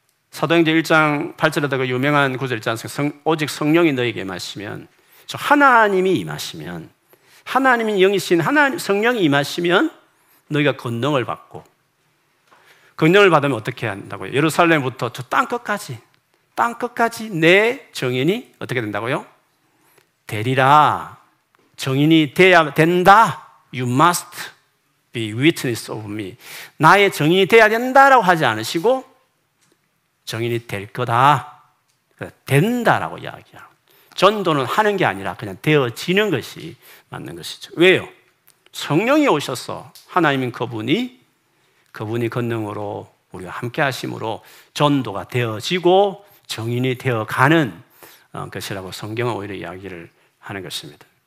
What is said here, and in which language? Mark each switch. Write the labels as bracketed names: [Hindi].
[Korean] 사도행전 1장 8절에다가 그 유명한 구절 있지 않습니까? 오직 성령이 너에게 임하시면, 저 하나님이 임하시면, 하나님이 영이신 하나님 성령이 임하시면 너희가 권능을 받고, 권능을 받으면 어떻게 한다고요? 예루살렘부터 저 땅끝까지 내 증인이 어떻게 된다고요? 되리라. 증인이 돼야 된다. [English] You must be witness of me. [Korean] 나의 증인이 돼야 된다라고 하지 않으시고 증인이 될 거다. 된다라고 이야기하고, 전도는 하는 게 아니라 그냥 되어지는 것이 맞는 것이죠. 왜요? 성령이 오셔서 하나님인 그분이 권능으로 우리와 함께 하심으로 전도가 되어지고 정인이 되어가는 것이라고 성경은 오히려 이야기를 하는 것입니다.